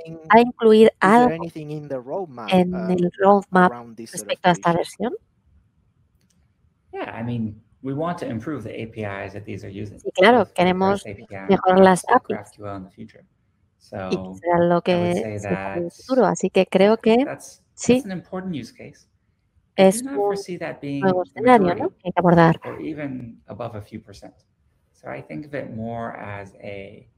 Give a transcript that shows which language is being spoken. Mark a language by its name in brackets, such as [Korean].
[Spanish] ¿A incluir algo en el roadmap respecto a esta versión? [English] Yeah, I mean, we want to improve the APIs that these are using. [Spanish] Sí, claro, queremos mejorar las APIs. [English] GraphQL in the future. So, [Spanish] y será lo que sea en el futuro. Así que creo que sí, [English] an important use case. [Spanish] Es un nuevo escenario, ¿no? Que hay que abordar. [English] Or even above a few percent. So I think of it more as a,